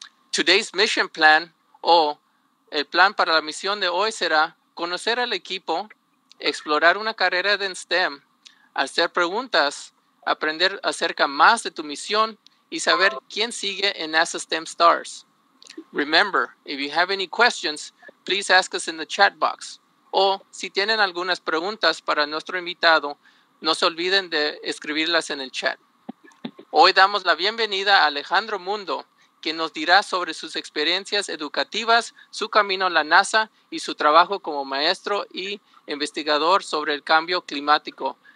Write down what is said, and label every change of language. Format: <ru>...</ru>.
<en>Today's mission plan,</en> <es>o el plan para la misión de hoy, será conocer al equipo, explorar una carrera en STEM, hacer preguntas, aprender acerca más de tu misión y saber quién sigue en NASA STEM Stars.</es> <en>Remember, if you have any questions, please ask us in the chat box.</en> <es>O si tienen algunas preguntas para nuestro invitado, no se olviden de escribirlas en el chat. Hoy damos la bienvenida a Alejandro Mundo, quien nos dirá sobre sus experiencias educativas, su camino a la NASA y su trabajo como maestro y investigador sobre el cambio climático.</es>